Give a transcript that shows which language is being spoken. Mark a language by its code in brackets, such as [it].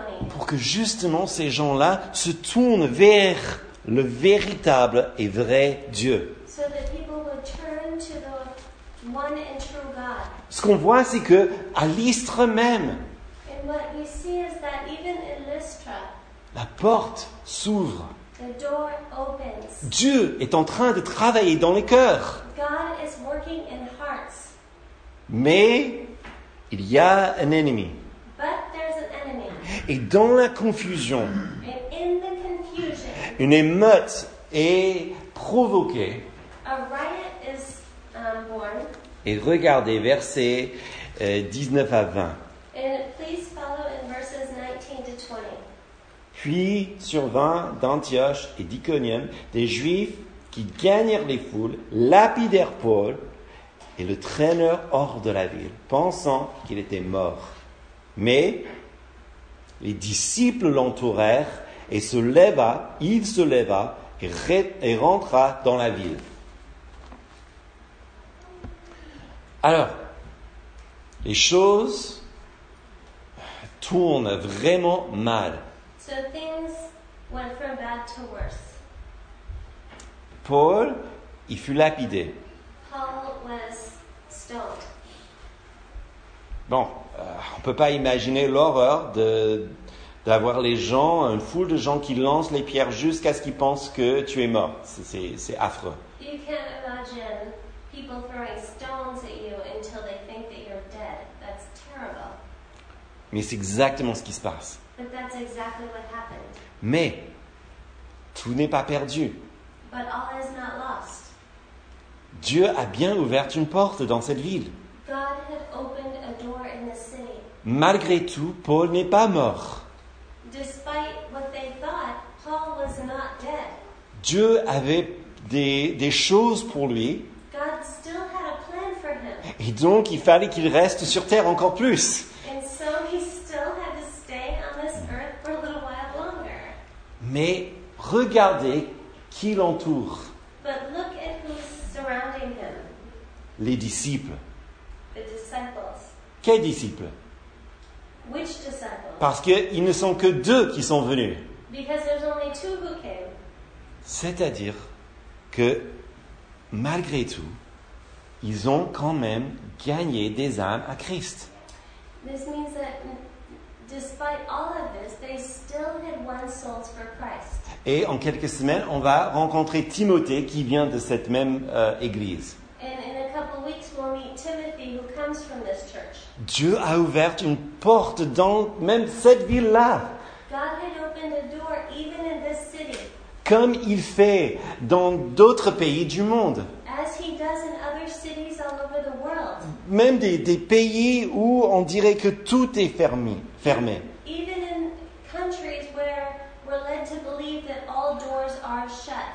[fr] Pour que justement ces gens-là se tournent vers le véritable et vrai Dieu. [en] So that people would turn to the one and true God. [fr] Ce qu'on voit, c'est que à Lystre même, [en] and what we see is that even in Lystra, [fr] la porte s'ouvre. [en] The door opens. [fr] Dieu est en train de travailler dans les cœurs. [en] God is working in hearts. [fr] Mais il y a un ennemi. [en] But there's an enemy. [fr] Et dans la confusion, [en] in the confusion, [fr] une émeute est provoquée. [en] A riot is, born. [fr] Et regardez versets 19 à 20. [en] And please follow in verses 19 to 20. [fr] Puis survint d'Antioche et d'Iconium des Juifs qui gagnèrent les foules, lapidèrent Paul et le traînèrent hors de la ville, pensant qu'il était mort. Mais les disciples l'entourèrent et il se leva et rentra dans la ville. Alors, les choses tournent vraiment mal. [en] So things went from bad to worse. [fr] Paul, il fut lapidé. [en] Paul was stoned. [fr] Bon, on ne peut pas imaginer l'horreur d'avoir les gens, une foule de gens qui lancent les pierres jusqu'à ce qu'ils pensent que tu es mort. C'est affreux. [en] You can't imagine people throwing stones at you until they think that you're dead. That's terrible. [fr] Mais c'est exactement ce qui se passe. [en] But that's exactly what happened. [fr] Mais tout n'est pas perdu. [en] But all is not lost. [fr] Dieu a bien ouvert une porte dans cette ville. [en] God had opened a door in the city. [fr] Malgré tout, Paul n'est pas mort. [en] Despite what they thought, Paul was not dead. [fr] Dieu avait des choses pour lui. [en] God still had a plan for him. [fr] Et donc, il fallait qu'il reste sur terre encore plus. [en] And so he still had to stay on this earth for a little while longer. [fr] Mais regardez qui l'entoure. [en] But look at who's surrounding him. [fr] Les disciples. [en] The disciples. [fr] Quels disciples? [en] Which disciples? [fr] Parce qu'ils ne sont que deux qui sont venus. [en] Because there's only two who came. [fr] C'est-à-dire que malgré tout, ils ont quand même gagné des âmes à Christ. [en] This means that despite all of this, they still had won souls for Christ. [fr] Et en quelques semaines, on va rencontrer Timothée qui vient de cette même église. [en] And in a couple weeks, we'll meet Timothy who comes from this church. [fr] Dieu a ouvert une porte dans même cette ville-là. [en] God had opened a door even in this city. [fr] Comme il fait dans d'autres pays du monde. [en] As he does in other cities all over the world. [fr] Même des pays où on dirait que tout est fermé. [en] Even in countries where we're led to believe that all doors are shut.